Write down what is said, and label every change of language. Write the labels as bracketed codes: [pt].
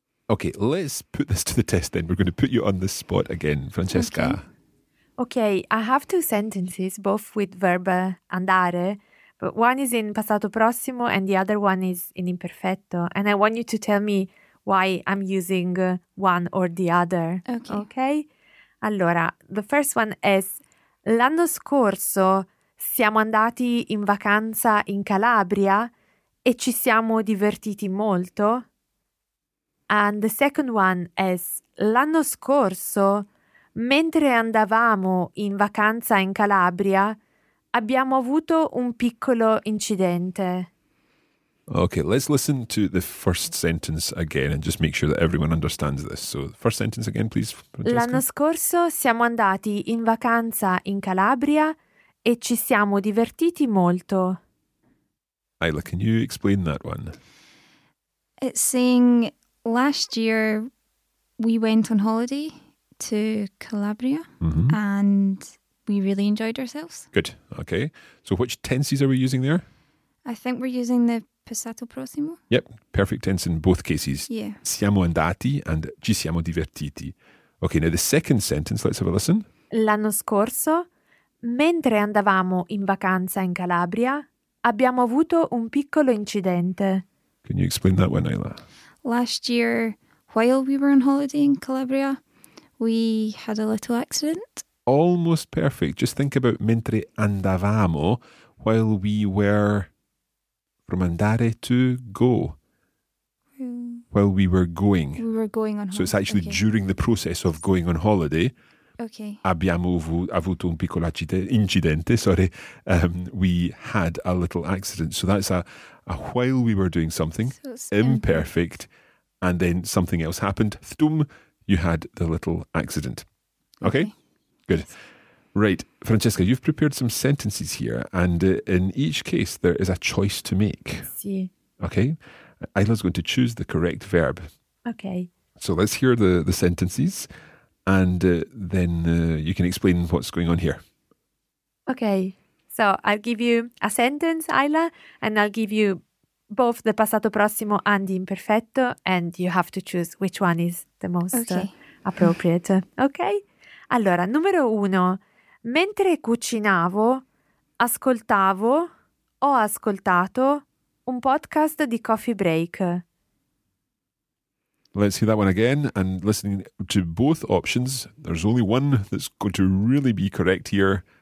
[en] Okay, let's put this to the test then. We're going to put you on the spot again, Francesca. Okay, I have two sentences, both with verb andare. One is in passato prossimo and the other one is in imperfetto. And I want you to tell me why I'm using one or the other. Okay. Okay? [it] Allora, [en] the first one is, [it] l'anno scorso siamo andati in vacanza in Calabria e ci siamo divertiti molto. [en] And the second one is, [it] l'anno scorso, mentre andavamo in vacanza in Calabria, abbiamo avuto un piccolo incidente. [en] Okay, let's listen to the first sentence again and just make sure that everyone understands this. So, the first sentence again, please, Francesca. [it] L'anno scorso siamo andati in vacanza in Calabria e ci siamo divertiti molto. [en] Ayla, can you explain that one? It's saying, last year we went on holiday to Calabria, mm-hmm, and we really enjoyed ourselves. Good. Okay. So which tenses are we using there? I think we're using the passato prossimo. Yep, perfect tense in both cases. Yeah. [it] Siamo andati and ci siamo divertiti. [en] Okay, now the second sentence, let's have a listen. [it] L'anno scorso, mentre andavamo in vacanza in Calabria, abbiamo avuto un piccolo incidente. [en] Can you explain that one, Ayla? Last year, while we were on holiday in Calabria, we had a little accident. Almost perfect. Just think about [it] mentre andavamo, [en] while we were, from andare to go. While we were going. We were going on holiday. So it's actually during the process of going on holiday. Okay. [it] Abbiamo avuto un piccolo incidente, sorry. [en] We had a little accident. So that's a while we were doing something, so it's imperfect, and then something else happened. Thtum, you had the little accident. Okay? Good. Right. Francesca, you've prepared some sentences here, and in each case, there is a choice to make. [it] Sí. [en] Okay? Ayla's going to choose the correct verb. Okay. So let's hear the sentences, and then you can explain what's going on here. Okay. So I'll give you a sentence, Ayla, and I'll give you both the passato prossimo and the imperfetto, and you have to choose which one is the most appropriate. Okay? [it] Allora, numero uno. Mentre cucinavo, ascoltavo, ho ascoltato un podcast di Coffee Break. [en] Let's hear that one again. And listening to both options, there's only one that's going to really be correct here.